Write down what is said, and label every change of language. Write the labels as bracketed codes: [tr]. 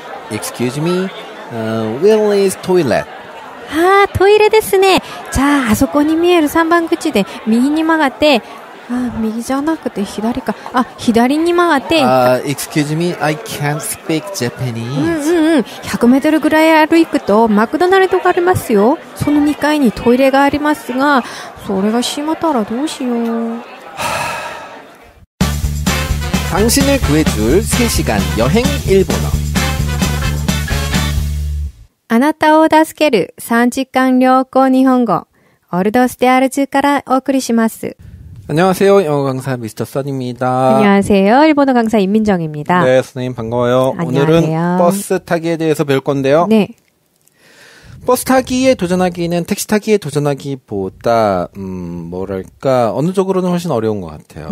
[en] Excuse me, where is toilet? [ja] あ、トイレですね。じゃあ、あそこに見える3番口で右に曲がって、あ、右じゃなくて左か。あ、左に曲がって。 [en] Excuse me, I can't speak Japanese. [ja] うんうんうん。 100メートルぐらい歩くと、マクドナルドがありますよ。その2階にトイレがありますが、それが閉まったらどうしよう。 [ko] 당신을구해줄3시간여행일본어 [ja] あなたを助ける3時間旅行日本語オールドステアルズからお送りします。 [ko] 안녕하세요영어강사미스터썬입니다 안녕하세요일본어강사임민정입니다 네선생님반가워요 안녕하세요 오늘은버스타기에대해서배울건데요 버스타기에도전하기는택시타기에도전하기보다뭐랄까어느쪽으로는훨씬어려운것같아요